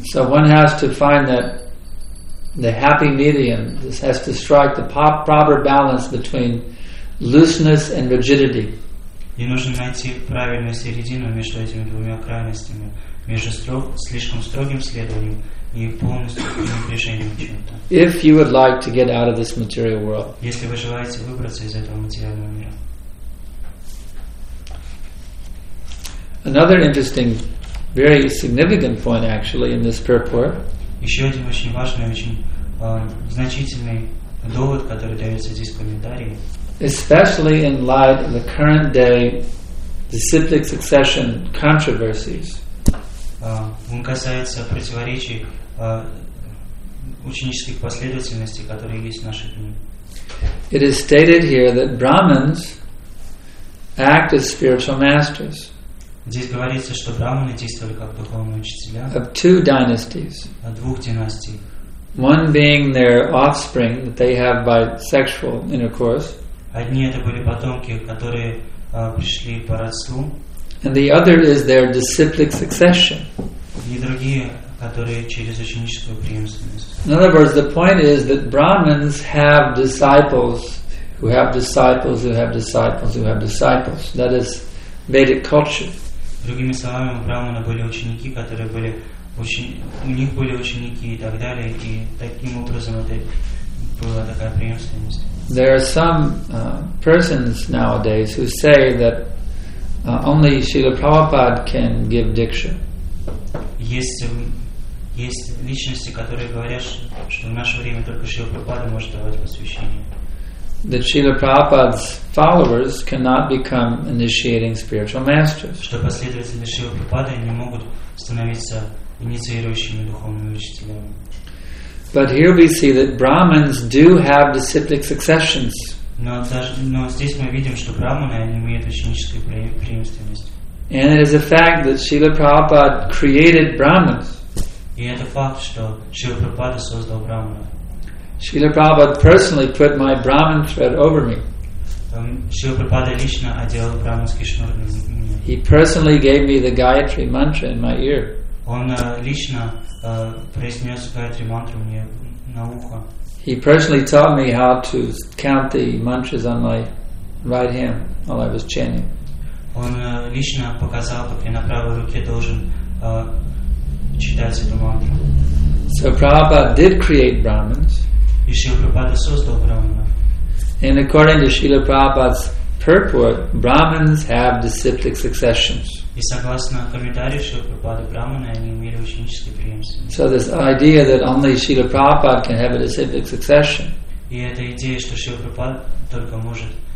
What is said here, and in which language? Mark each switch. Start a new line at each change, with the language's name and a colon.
English: So one has to find that the happy medium. This has to strike the proper balance between looseness and rigidity.
Russian: И нужно найти правильную середину между этими двумя крайностями, между слишком строгим следованием и полностью пренебрежением чем-то.
English: If you would like to get out of this material world.
Russian: Если вы желаете выбраться из этого материального мира.
English: Another interesting, very significant point, actually, in this purport.
Russian: Еще один очень важный, очень значительный довод, который дается здесь в комментарии.
English: Especially in light of the current day disciplic succession controversies.
Russian: Он касается противоречий ученических последовательностей, которые есть в наши дни.
English: It is stated here that Brahmins act as spiritual masters.
Russian: Здесь говорится, что брахманы действовали как духовные учителя.
English: Of two dynasties.
Russian: От двух династий.
English: One being their offspring that they have by sexual intercourse.
Russian: Одни это были потомки, которые пришли по родству.
English: And the other is their disciplic succession.
Russian: И другие, которые через ученическую преемственность.
English: In other words, the point is that Brahmins have disciples who have disciples who have disciples who have disciples. That is Vedic culture.
Russian: Другими словами, у Брахмана были ученики, которые были у них были ученики и так далее, и таким образом это была такая преемственность.
English: There are some persons nowadays who say that only Srila Prabhupada can give diksha.
Russian: Есть личности, которые говорят, что в наше время только Шрила Прабхупада может давать посвящение.
English: That Srila Prabhupada's followers cannot become initiating spiritual masters.
Russian: Что последователи Шрилы Прабхупады не могут становиться инициирующими духовными учителями.
English: But here we see that Brahmins do have disciplic successions.
Russian: Но здесь мы видим, что брахманы имеют ученическую преемственность.
English: And it is a fact that Srila Prabhupada created Brahmins.
Russian: И это факт, что Шрила Прабхупада создал брахманов.
English: Srila Prabhupada personally put my Brahmin thread over me.
Russian: Srila Prabhupada лично одел брахманский шнур на меня.
English: He personally gave me the Gayatri mantra in my ear.
Russian: Он лично произнес Gayatri mantra мне на ухо.
English: He personally taught me how to count the mantras on my right hand while I was chanting.
Russian: Он лично показал, как я на правой руке должен читать эту мантру.
English: So Prabhupada did create Brahmins.
Russian: И Шрила Прабхупада создал брахманов.
English: And according to Srila Prabhupada's purport, Brahmins have disciplic successions.
Russian: И согласно комментарию Шрилы Прабхупады, брахманы они имели ученические преемственности.
English: So this idea that only Srila Prabhupada can have a disciplic succession.
Russian: И эта идея, что Шрила Прабхупада только может